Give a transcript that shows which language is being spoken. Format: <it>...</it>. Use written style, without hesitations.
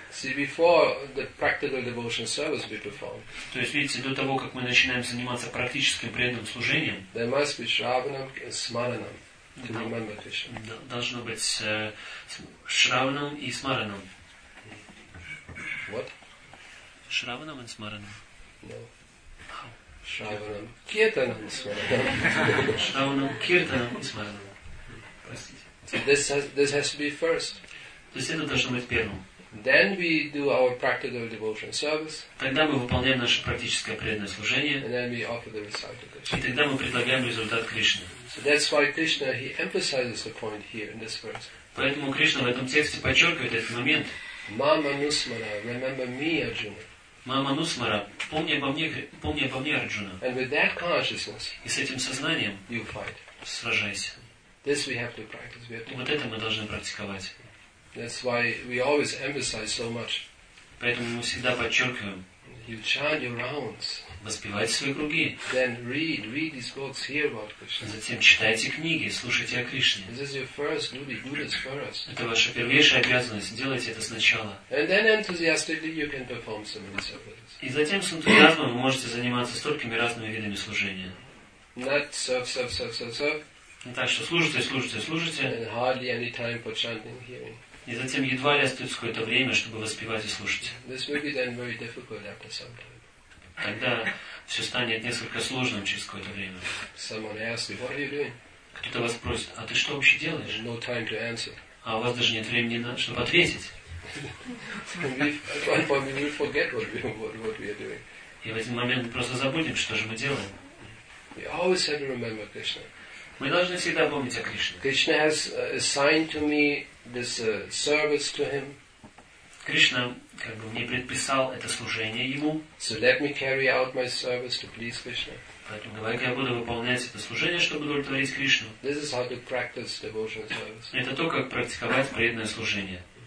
<en>See, before the practical devotion service be performed.</en> <ru>То есть видите, до того как мы начинаем заниматься практическим преданным служением.</ru> <en>There must be Shravanam and Smaranam. Remember Krishna.</en> <ru>Должно быть Shravanam и Smaranam.</ru> <en>What? Shravanam and Smaranam. No. Shravanam Kirtanam Smaranam.</en> <sa>Shravanam Kirtanam Smaranam.</sa> <ru>Простите.</ru> <en>This has to be first.</en> <ru>То есть это должно быть первым.</ru> <en>Then we do our practical devotion service.</en> <ru>Тогда мы выполняем наше практическое преданное служение.</ru> <en>And then we offer the result to Krishna.</en> <ru>И тогда мы предлагаем результат Кришне.</ru> <en>So that's why Krishna he emphasizes the point here in this verse.</en> <ru>Поэтому Кришна в этом тексте подчеркивает этот момент.</ru> <en>Мама Нусмара, remember me, Arjuna.</en> <ru>Мама Нусмара, помни обо мне, Арджуна.</ru> <en>And with that consciousness,</en> <ru>и с этим сознанием,</ru> <en>you fight.</en> <ru>Сражайся.</ru> <en>This we have to practice. We have to.</en> <ru>Вот это мы должны практиковать.</ru> <en>That's why we always emphasize so much.</en> <ru>Поэтому мы всегда подчеркиваем.</ru> <en>You chant your rounds.</en> <ru>Воспевайте свои круги.</ru> <en>Then read these books, hear about Krishna.</en> <ru>Затем читайте книги, слушайте о Кришне.</ru> <en>This is your first duty, do this first.</en> <ru>Это ваша первейшая обязанность. Делайте это сначала.</ru> <en>And then enthusiastically you can perform so many services.</en> <ru>И затем с энтузиазмом вы можете заниматься столькими разными видами служения.</ru> <en>Not serve.</en> <ru>Не так, что служите.</ru> <en>And hardly any time for chanting, hearing.</en> <ru>И затем едва ли остается какое-то время, чтобы воспевать и слушать.</ru> <en>This will be then very difficult after some time.</en> <ru>Тогда все станет несколько сложным через какое-то время.</ru> <en>Someone asks you, what are you doing?</en> <ru>Кто-то вас спросит, а ты что вообще делаешь?</ru> <en>No time to answer.</en> <ru>А у вас даже нет времени, чтобы ответить.</ru> <en>We forget what we are doing.</en> <ru>И в этот момент мы просто забудем, что же мы делаем.</ru> <en>We always have to remember Krishna.</en> <ru>Мы должны всегда помнить о Кришне.</ru> <en>Krishna has assigned to me this service to him.</en> <ru>Кришна как бы мне предписал это служение ему.</ru> <en>So let me carry out my service to please Krishna.</en> <ru>Поэтому давай-ка я буду выполнять это служение, чтобы удовлетворить Кришну.</ru> <en>This is how to practice devotional service.</en> <ru>Это то, как практиковать преданное служение.</ru>